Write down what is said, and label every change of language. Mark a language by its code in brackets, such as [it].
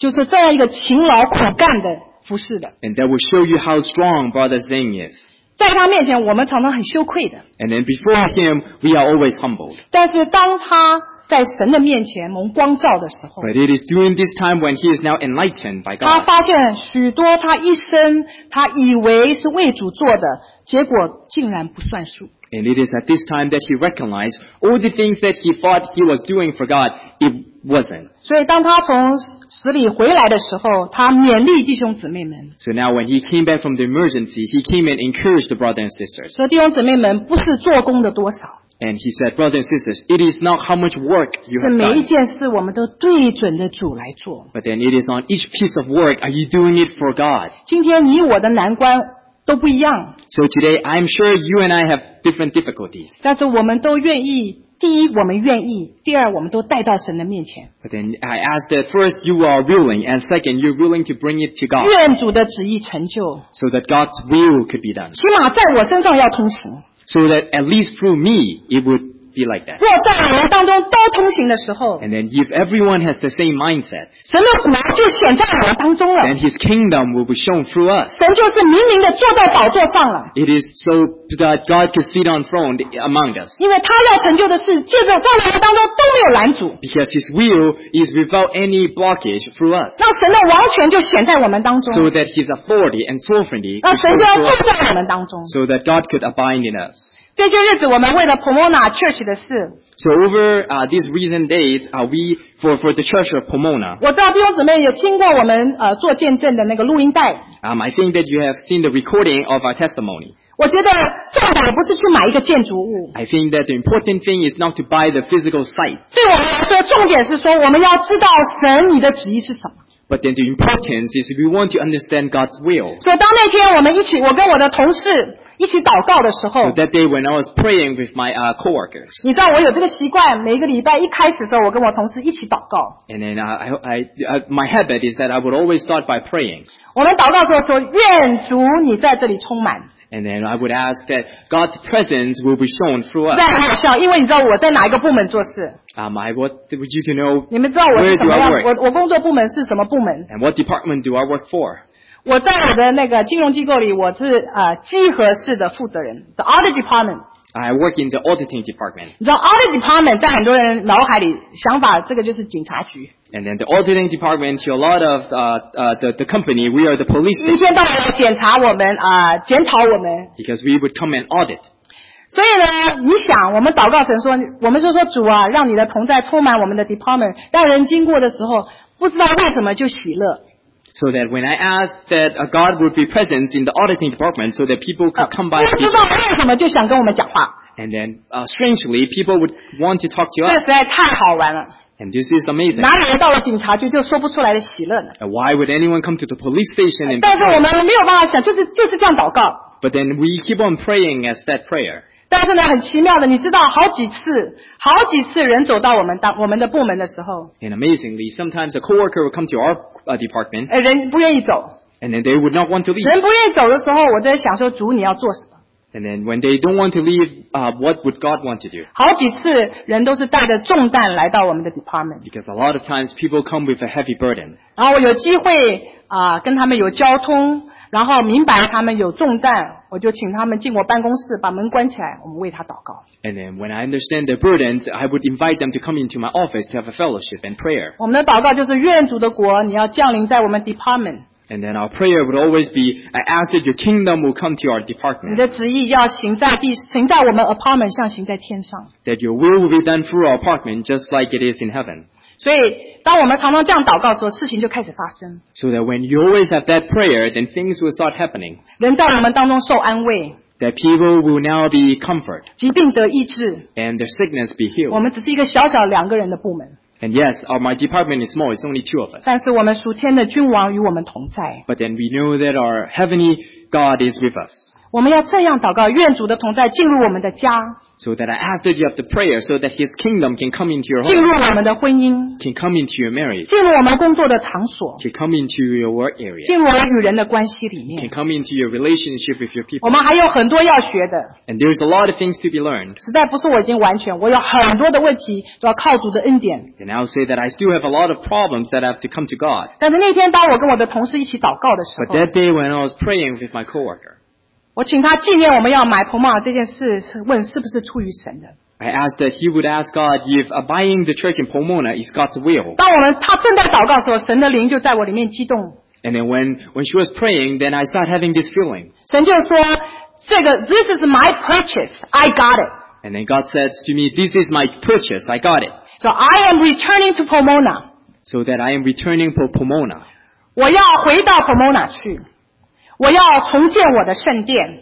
[zh] 我们的弟兄是这样一个勤劳苦干的服侍的。 [en] And that will show you how strong Brother Zing is. [zh] 在他面前我们常常很羞愧的。 [en] And then before him, we are always humbled. [zh] 但是当他在神的面前蒙光照的时候, [en] But it is during this time when he is now enlightened by God. [zh] 他发现许多他一生他以为是为主做的结果竟然不算数。 [en] And it is at this time that he recognized all the things that he thought he was doing for God, it wasn't. [zh] 所以当他从死里回来的时候, 他勉励弟兄姊妹们。 [en] So now when he came back from the emergency, he came and encouraged the brothers and sisters. [zh] 所以弟兄姊妹们不是做工的多少。 [en] And he said, brothers and sisters, it is not how much work you have done. [zh] 每一件事我们都对准了主来做。 [en] But then it is on each piece of work, are you doing it for God? [zh] 今天你我的难关, [en] So today, I'm sure you and I have different difficulties. [zh] 但是我们都愿意, 第一, 我们愿意, 第二, 我们都带到神的面前。 [en] But then I ask that first, you are willing, and second, you're willing to bring it to God. [zh] 愿主的旨意成就, [en] so that God's will could be done. [zh] 起码在我身上要通行。 [en] So that at least through me, it would be like that. [zh] 若在我们当中都通行的时候, [en] and then if everyone has the same mindset, [zh] 神的国就显在我们当中了, [en] then his kingdom will be shown through us. [zh] 神就是明明地坐在宝座上了。 [en] It is so that God can sit on throne among us. [zh] 因为他要成就的事,借着在我们当中都没有拦阻。 [en] Because his will is without any blockage through us. [zh] 让神的王权就显在我们当中。 [en] So that his authority and sovereignty, [zh] 让神就要坐在我们当中。 [en] So that God could abide in us. [zh] 这些日子我们为了 Pomona Church 的事。 [en] So over these recent days, we for the church of Pomona. [zh] 我知道弟兄姊妹有听过我们做见证的那个录音带。 [en] I think that you have seen the recording of our testimony. [zh] 我觉得重要的不是去买一个建筑物。 [en] I think that the important thing is not to buy the physical site. [zh] 对我们来说，重点是说我们要知道神你的旨意是什么。 [en] But then the importance is we want to understand God's will. [zh] 所以当那天我们一起，我跟我的同事。一起祷告的时候 [en] So that day when I was praying with my co-workers. [zh] 你知道我有这个习惯，每一个礼拜一开始的时候，我跟我同事一起祷告。 [en] And then my habit is that I would always start by praying. [zh] 我们祷告的时候说，愿主你在这里充满。 [en] And then I would ask that God's presence will be shown through us. [zh] 但很好笑，因为你知道我在哪一个部门做事。 [en] I would you to know. [zh] 你们知道我是怎么样？我工作部门是什么部门 [en] ？And what department do I work for? [zh] 我在我的那个金融机构里，我是稽核市的负责人 ， [en] the audit department. I work in the auditing department. [zh] 你知道 audit department 在很多人脑海里想法，这个就是警察局。 [en] And then the auditing department to a lot of the company, we are the police. [zh] 一天到晚来检查我们检讨我们。 [en] Because we would come and audit. [zh] 所以呢，你想，我们祷告神说，我们就说主啊，让你的同在充满我们的 department， 让人经过的时候不知道为什么就喜乐。 [en] So that when I asked that God would be present in the auditing department so that people could come by and speak. [zh] 不知道为什么就想跟我们讲话。 [en] And then, strangely, people would want to talk to us. [zh] 这实在太好玩了。 [en] And this is amazing. [zh] 哪里人到了警察局就说不出来的喜乐呢？ [en] Why would anyone come to the police station and [zh] 但是我们没有办法想，就是这样祷告。 [en] But then we keep on praying as that prayer. [zh] 但是呢，很奇妙的，你知道好几次人走到我们的部门的时候。 [en] And amazingly, sometimes a coworker would come to our department. [zh] 人不愿意走。 [en] And then they would not want to leave. [zh] 人不愿意走的时候，我在想说，主你要做什么？ [en] And then when they don't want to leave, what would God want to do? [zh] 好几次人都是带着重担来到我们的 department. [en] Because a lot of times people come with a heavy burden. [zh] 然后我有机会跟他们有交通，然后明白他们有重担，我就请他们进我办公室，把门关起来，我们为他祷告。 [en] And then when I understand their burdens, I would invite them to come into my office to have a fellowship and prayer. [zh] 我们的祷告就是愿主的国你要降临在我们 department。 [en] And then our prayer would always be, I ask that your kingdom will come to our department. [zh] 你的旨意要行在我们 apartment， 像行在天上。 [en] That your will be done through our apartment, just like it is in heaven. [zh] 所以当我们常常这样祷告的时候，事情就开始发生。 [en] So that when you always have that prayer, then things will start happening. [zh] 人在我们当中受安慰。 [en] That people will now be comforted. [zh] 疾病得医治。 [en] And their sickness be healed. [zh] 我们只是一个小小两个人的部门。 [en] And yes, my department is small. It's only two of us. [zh] 但是我们属天的君王与我们同在。 [en] But then we know that our heavenly God is with us. [zh] 我们要这样祷告，愿主的同在进入我们的家。 [en] So that I ask that you have the prayer so that His kingdom can come into your home. [zh] 进入我们的婚姻。 [en] Can come into your marriage. [zh] 进入我们工作的场所。 [en] Can come into your work area. [zh] 进入我们与人的关系里面。 [en] Can come into your relationship with your people. [zh] 我们还有很多要学的。 [en] And there's a lot of things to be learned. [zh] 实在不是我已经完全，我有很多的问题都要靠主的恩典。 [en] And I'll say that I still have a lot of problems that I have to come to God. [zh] 但是那天当我跟我的同事一起祷告的时候。 [en] But that day when I was praying with my coworker. [zh] 我请他纪念我们要买 Pomona 这件事，问是不是出于神的。 [en] I asked that he would ask God if buying the church in Pomona is God's will. [zh] 当他正在祷告的时候，神的灵就在我里面激动。 [en] And then when she was praying, then I started having this feeling. [zh] 神就说， [en] This is my purchase. I got it. And then God says to me, This is my purchase. I got it. So I am returning to Pomona. So that I am returning to Pomona. [zh] 我要回到 Pomona 去。我要重建我的圣殿。